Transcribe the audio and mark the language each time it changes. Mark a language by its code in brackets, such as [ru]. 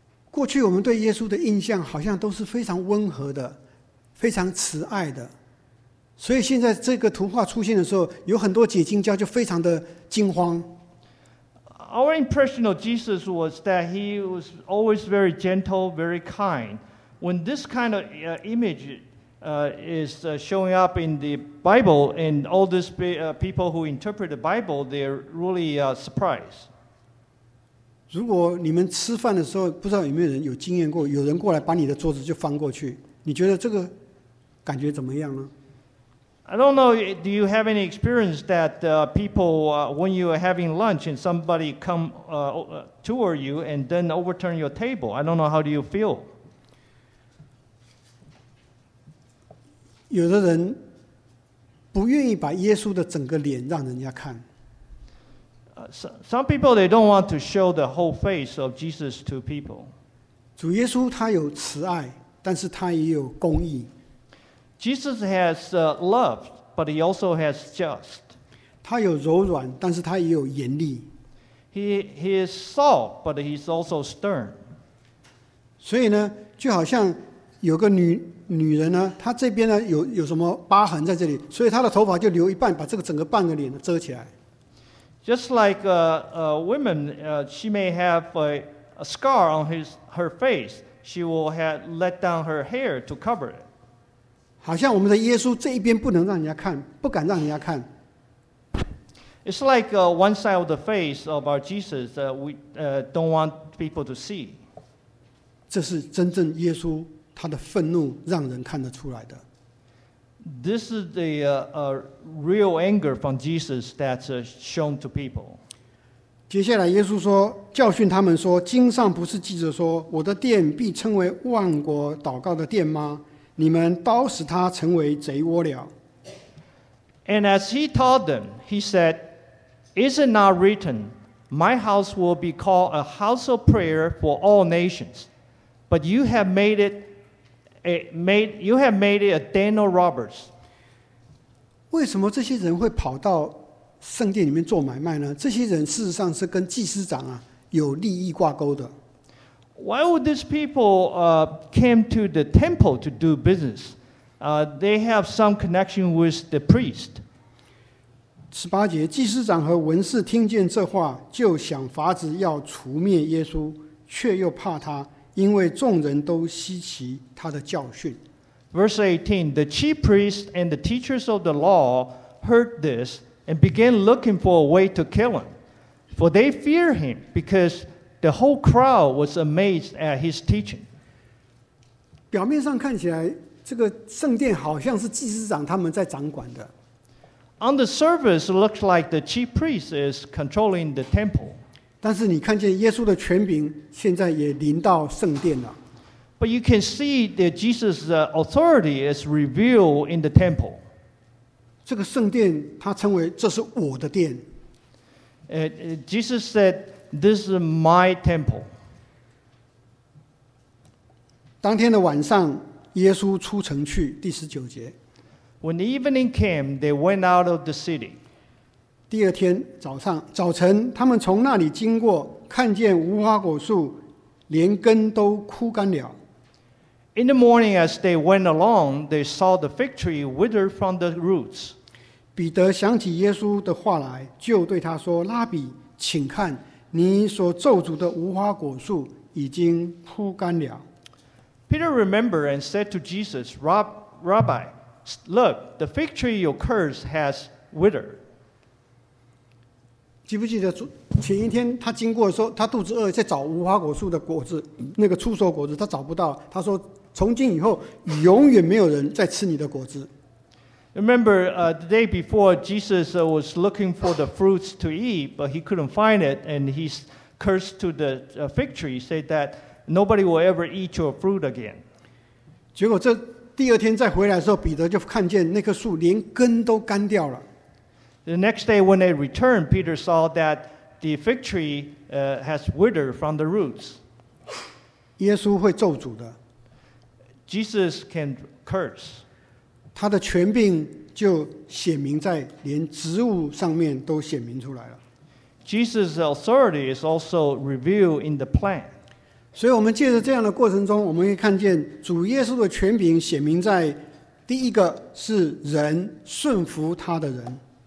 [zh] 过去我们对耶稣的印象好像都是非常温和的，非常慈爱的，所以现在这个图画出现的时候，有很多解经家就非常的惊慌。 [en] Our impression of Jesus was that he was always very gentle, very kind. When this kind of image is showing up in the Bible, and all these people who interpret the Bible, they're really surprised. [zh] 如果你们吃饭的时候，不知道有没有人有经验过，有人过来把你的桌子就翻过去，你觉得这个感觉怎么样呢？ [en] I don't know, do you have any experience that when you are having lunch and somebody come toward you and then overturn your table? I don't know, how do you feel? [zh] 有的人不愿意把耶稣的整个脸让人家看。 [en] Some people, they don't want to show the whole face of Jesus to people. [zh] 主耶稣他有慈爱，但是他也有公义。 [en] Jesus has love, but he also has just. [zh] 他有柔软，但是他也有严厉。 [en] He is soft, but he's also stern. [zh] 所以呢，就好像有个女人呢，她这边呢有什么疤痕在这里，所以她的头发就留一半，把这个整个半个脸遮起来。 [en] Just like a woman, she may have a scar on her face. She will have let down her hair to cover it. [zh] 好像我们的耶稣这一边不能让人家看，不敢让人家看。 [en] It's like one side of the face of our Jesus that we don't want people to see. [zh] 这是真正耶稣他的愤怒让人看得出来的。 [en] This is the real anger from Jesus that's shown to people. [zh] 接下来耶稣说，教训他们说，经上不是记着说，我的殿必称为万国祷告的殿吗？你们倒使他成为贼窝了。 [en] And as he taught them, he said, "Is it not written, 'My house will be called a house of prayer for all nations'? But you have made it a den of robbers. [zh] 为什么这些人会跑到圣殿里面做买卖呢？这些人事实上是跟祭司长啊有利益挂钩的。 [en] Why would these people came to the temple to do business? They have some connection with the priest. [zh] 十八节，祭司长和文士听见这话，就想法子要除灭耶稣，却又怕他，因为众人都稀奇他的教训。 [en] Verse 18, the chief priests and the teachers of the law heard this and began looking for a way to kill him. For they fear him, because the whole crowd was amazed at his teaching. [zh] 表面上看起来，这个圣殿好像是祭司长他们在掌管的。 [en] On the surface, it looks like the chief priest is controlling the temple. [zh] 但是你看见耶稣的权柄现在也临到圣殿了。 [en] But you can see that Jesus' authority is revealed in the temple. [zh] 这个圣殿他称为这是我的殿。 [en] Jesus said, "This is my temple." [zh] 当天的晚上，耶稣出城去。第十九节。 [en] When the evening came, they went out of the city. [zh] 第二天早晨，他们从那里经过，看见无花果树连根都枯干了。 [en] In the morning, as they went along, they saw the fig tree withered from the roots. [zh] 彼得想起耶稣的话来，就对他说：“拉比，请看，你所咒诅的无花果树已经枯干了。” [en] Peter remembered and said to Jesus, "Rabbi, look, the fig tree you curse has withered." [zh] 记不记得前一天他经过的时候，他肚子饿，在找无花果树的果子，那个出熟果子，他找不到，他说。从今以后，永远没有人再吃你的果子。 [en] Remember, the day before, Jesus was looking for the fruits to eat, but he couldn't find it, and he cursed to the fig tree, said that nobody will ever eat your fruit again. [zh] 结果这第二天再回来的时候，彼得就看见那棵树连根都干掉了。 [en] The next day when they returned, Peter saw that the fig tree has withered from the roots. [zh] 耶稣会咒诅的。 [en] Jesus can curse. [zh] 他的权柄就显明在连植物上面都显明出来了。 [en] Jesus' authority is also revealed in the plant. [zh] 所以我们借着这样的过程中，我们会看见主耶稣的权柄显明在第一个是人顺服他的人。